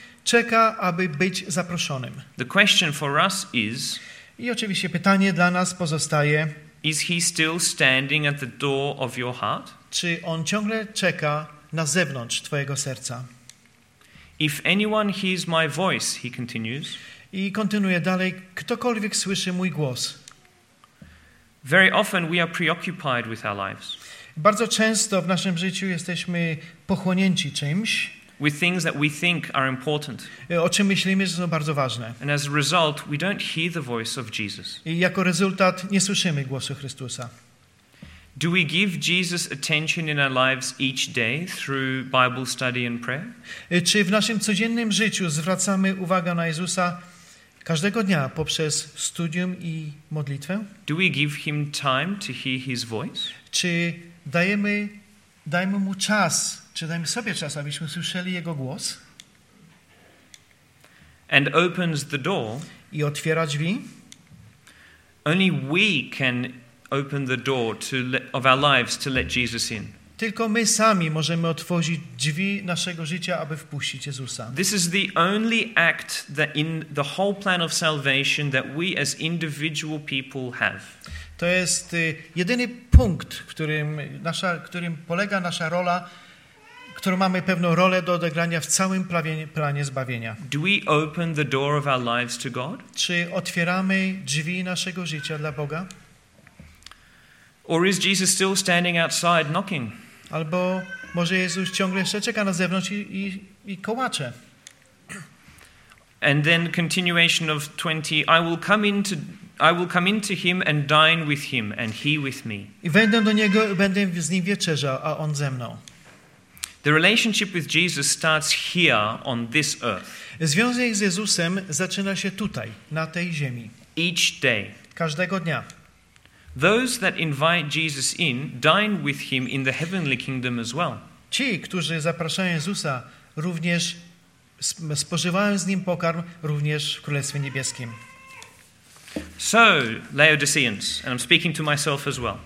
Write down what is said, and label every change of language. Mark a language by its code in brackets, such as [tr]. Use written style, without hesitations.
[pl] Czeka, aby być zaproszonym. [en] The question for us is, [pl] i oczywiście pytanie dla nas pozostaje, [en] is he still standing at the door of your heart? [pl] Czy on ciągle czeka na zewnątrz twojego serca? [en] If anyone hears my voice, he continues. [pl] I kontynuuje dalej, ktokolwiek słyszy mój głos. [en] Very often we are preoccupied with our lives. [pl] Bardzo często w naszym życiu jesteśmy pochłonięci czymś. [en] With things that we think are important. [pl] O czym myślimy, że są bardzo ważne. [en] And as a result, we don't hear the voice of Jesus. [pl] I jako rezultat nie słyszymy głosu Chrystusa. [en] Do we give Jesus attention in our lives each day through Bible study and prayer? [pl] Czy w naszym codziennym życiu zwracamy uwagę na Jezusa każdego dnia poprzez studium i modlitwę? [en] Do we give him time to hear his voice? [pl] Czy dajemy Dajmy mu czas, czy dajmy sobie czas, abyśmy słyszeli jego głos. [en] And opens the door. [pl] I otwiera drzwi. [en] Only we can open the door to of our lives to let Jesus in. [pl] Tylko my sami możemy otworzyć drzwi naszego życia, aby wpuścić Jezusa. [en] This is the only act that in the whole plan of salvation that we as individual people have. [pl] To jest jedyny punkt, którym polega nasza rola, którą mamy pewną rolę do odegrania w całym planie zbawienia. [en] Do we open the door of our lives to God? [pl] Czy otwieramy drzwi naszego życia dla Boga? [en] Or is Jesus still standing outside knocking? [pl] Albo może Jezus ciągle jeszcze czeka na zewnątrz i kołacze. [en] And then continuation of 20, I will come into him and dine with him and he with me. [pl] I wejdę do niego i będę z nim wieczerzał, a on ze mną. [en] The relationship with Jesus starts here on this earth. [pl] Związek z Jezusem zaczyna się tutaj, na tej ziemi. [en] Each day. [pl] Każdego dnia. [en] Those that invite Jesus in dine with him in the heavenly kingdom as well. [pl] Ci, którzy zapraszają Jezusa, również spożywają z nim pokarm również w Królestwie Niebieskim. [en] So, Laodiceans, and I'm speaking to myself as well.